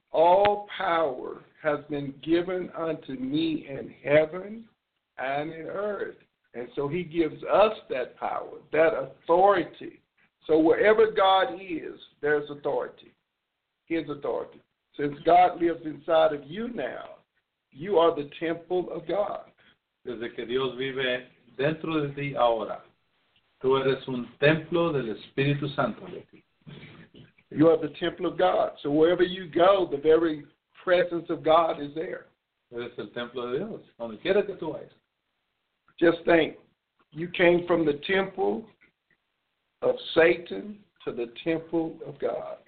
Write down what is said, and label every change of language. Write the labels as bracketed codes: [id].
[en] All power has been given unto me in heaven and in earth. And so he gives us that power, that authority. So wherever God is, there's authority. His authority. Since God lives inside of you now, you are the temple of God. [es] desde que Dios vive dentro de ti ahora. Tú eres un templo del Espíritu Santo. [en] You are the temple of God. So wherever you go, the very presence of God is there. [es] Eres el templo de Dios, donde quiera que tú vayas. [en] Just think, you came from the temple of Satan to the temple of God.